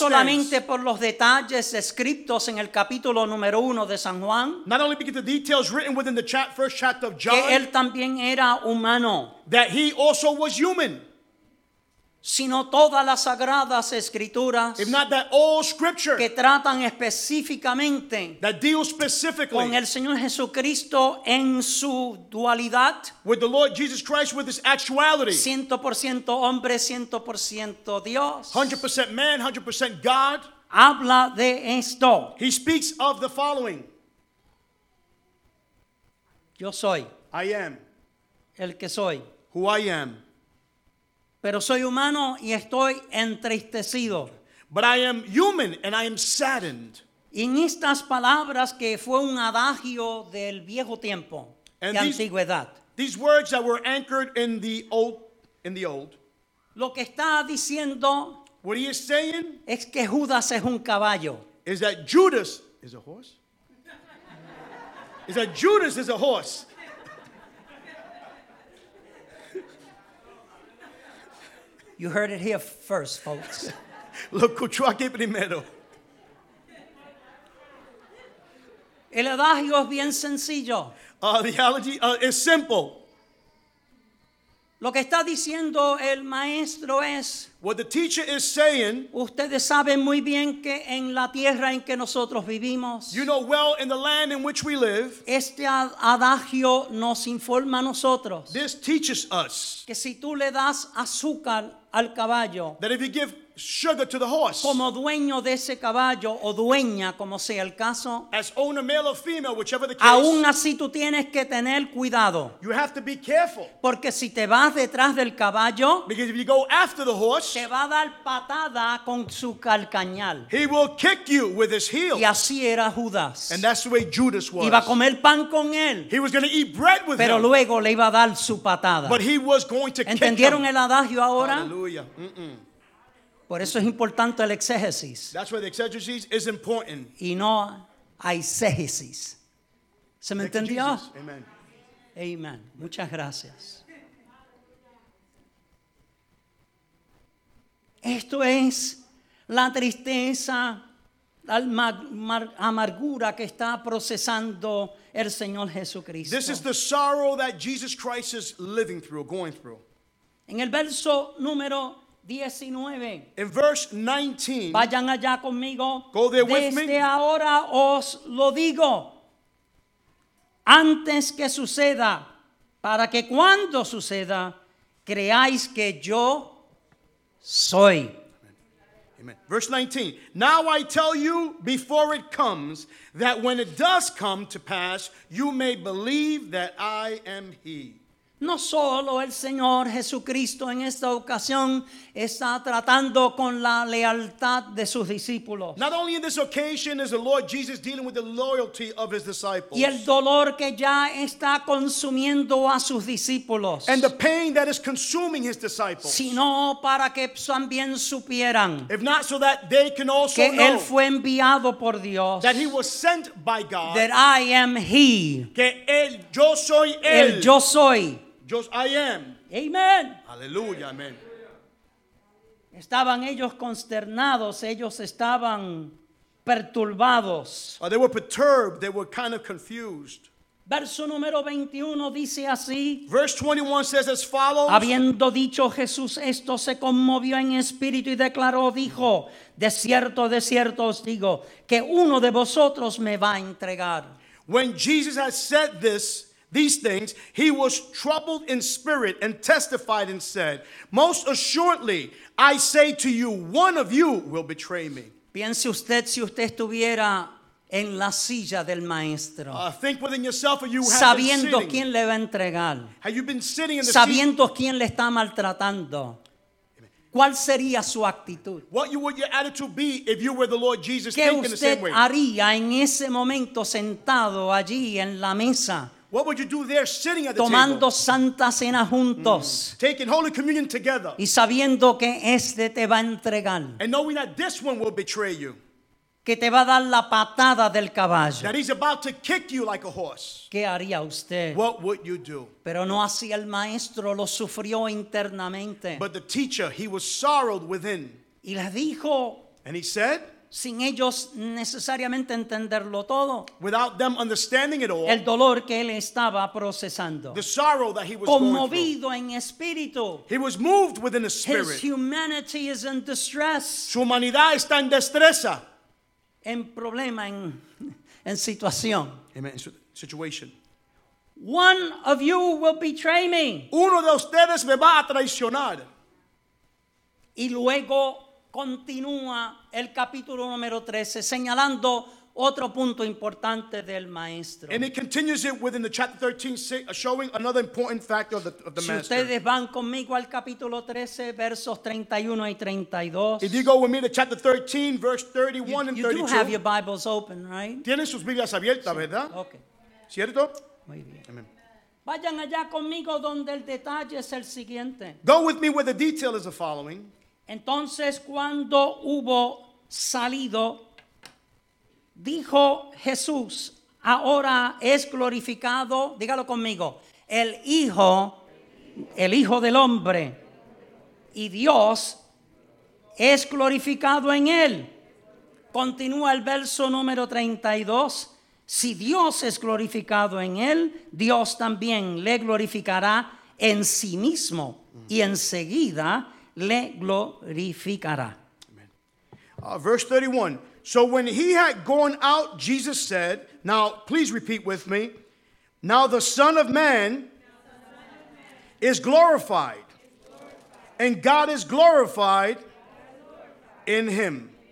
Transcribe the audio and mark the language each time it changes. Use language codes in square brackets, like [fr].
[es] No solamente por los detalles escritos en el capítulo número uno de San Juan. [en] Not only because the details written within the first chapter of John. [es] Que él también era humano. [en] That he also was human. [es] sino todas las sagradas escrituras, [en] if not that all scripture, [es] que tratan específicamente, [en] that deal specifically, [es] con el Señor Jesucristo en su dualidad, [en] with the Lord Jesus Christ with his actuality, [es] 100% hombre, 100% Dios, [en] 100% man, 100% God, [es] habla de esto. [en] He speaks of the following. [es] Yo soy. [en] I am. [es] El que soy. [en] Who I am. [es] Pero soy humano y estoy entristecido. [en] But I am human and I am saddened. [es] En estas palabras que fue un adagio del viejo tiempo, [en] and [es] de antigüedad. [en] These words that were anchored in the old. [es] Lo que está diciendo, [en] what he is saying, [es] es que Judas es un caballo. [en] Is that Judas is a horse? Is that Judas is a horse? You heard it here first, folks. [es] Lo escuchó aquí primero. El adagio es bien sencillo. [en] The analogy is simple. [es] Lo que está diciendo el maestro es, [en] what the teacher is saying, [es] ustedes saben muy bien que en la tierra en que nosotros vivimos, [en] you know well in the land in which we live, [es] este adagio nos informa a nosotros, [en] this teaches us, [es] que si tú le das azúcar al caballo, [en] that if you give sugar to the horse, [es] como dueño de ese caballo o dueña, como sea el caso, [en] as owner, male or female, whichever the case, [es] aún así tú tienes que tener cuidado, [en] you have to be careful, [es] porque si te vas detrás del caballo, [en] because if you go after the horse, [es] te va a dar patada con su calcañal, [en] he will kick you with his heel. [es] Y así era Judas, [en] and that's the way Judas was. [es] Iba a comer pan con él, [en] he was going to eat bread with, [es] pero [en] him, [es] luego le iba a dar su patada, [en] but he was going to, [es] ¿entendieron, [en] kick [es] el adagio ahora? [en] Hallelujah. [es] Por eso es importante el exégesis. [en] That's why the exegesis is important. [es] Y no eisegesis. ¿Se me entendió? [en] Amen. [es] Amen. Muchas gracias. Esto es la tristeza, la amargura que está procesando el Señor Jesucristo. [en] This is the sorrow that Jesus Christ is living through, going through. [es] En el verso número 19. [en] In verse 19, [es] vayan allá conmigo. [en] Go there with me. [es] Desde ahora os lo digo, antes que suceda, para que cuando suceda, creáis que yo soy. [en] Amen. Amen. Verse 19. Now I tell you before it comes, that when it does come to pass, you may believe that I am he. [es] No solo el Señor Jesucristo en esta ocasión está tratando con la lealtad de sus discípulos. [en] Not only in this occasion is the Lord Jesus dealing with the loyalty of his disciples. [es] Y el dolor que ya está consumiendo a sus discípulos. [en] And the pain that is consuming his disciples. [es] Sino para que también supieran. [en] If not so that they can also [es] que [en] know. [es] Que él fue enviado por Dios. [en] That he was sent by God. That I am he. [es] Que él, yo soy él. El yo soy. [en] Just I am. Amen. [es] Aleluya, amen. Estaban ellos consternados, ellos estaban perturbados. [en] They were perturbed, they were kind of confused. [es] Verso número 21 dice así. [en] Verse 21 says as follows. [es] Habiendo dicho Jesús esto, se conmovió en espíritu y declaró, dijo, de cierto os digo, que uno de vosotros me va a entregar. [en] When Jesus has said this, these things, he was troubled in spirit and testified and said, most assuredly, I say to you, one of you will betray me. [es] Piense usted si usted estuviera en la silla del maestro. [en] Think within yourself, or you have [es] sabiendo [en] been sitting. [es] Quién le va a entregar. [en] Have you been sitting in the [es] sabiendo [en] seat? [es] Quién le está maltratando. ¿Cuál sería su actitud? [en] What would your attitude be if you were the Lord Jesus thinking the same way? [es] ¿Qué usted haría en ese momento sentado allí en la mesa? [en] What would you do there sitting at the [es] tomando [en] table? [es] Santa cena juntos. Mm. [en] Taking Holy Communion together. [es] Y sabiendo que este te va a entregar. [en] And knowing that this one will betray you. [es] Que te va a dar la patada del caballo. [en] That he's about to kick you like a horse. [es] ¿Qué haría usted? [en] What would you do? [es] Pero no así el maestro, lo sufrió internamente. [en] But the teacher, he was sorrowed within. [es] Y le dijo, [en] and he said, [es] sin ellos necesariamente entenderlo todo, [en] without them understanding it all, [es] el dolor que él estaba procesando, [en] the sorrow that he was [es] conmovido en espíritu, [en] he was moved within the spirit, his humanity is in distress, [es] su humanidad está en destreza, en problema, en situación. [en] Amen. Situation. One of you will betray me. [es] Uno de ustedes me va a traicionar. Y luego continúa el capítulo número 13 señalando otro punto importante del maestro. [en] And it continues it within the chapter 13 showing another important factor of the master. [es] Si ustedes van conmigo al capítulo 13 versos 31 y 32. [en] If you go with me to chapter 13 verse 31 and 32. You do have your Bibles open, right? [es] Tienen sus Biblias abiertas, ¿verdad? [en] Okay. [es] ¿Cierto? Muy bien. Amen. Vayan allá conmigo donde el detalle es el siguiente. [en] Go with me where the detail is the following. [es] Entonces, cuando hubo salido, dijo Jesús, ahora es glorificado, dígalo conmigo, el Hijo del Hombre, y Dios es glorificado en él. Continúa el verso número 32. Si Dios es glorificado en él, Dios también le glorificará en sí mismo y enseguida le glorificará. [en] Amen. Verse 31. So when he had gone out, Jesus said, now please repeat with me, now the Son of Man is glorified and God is glorified in him.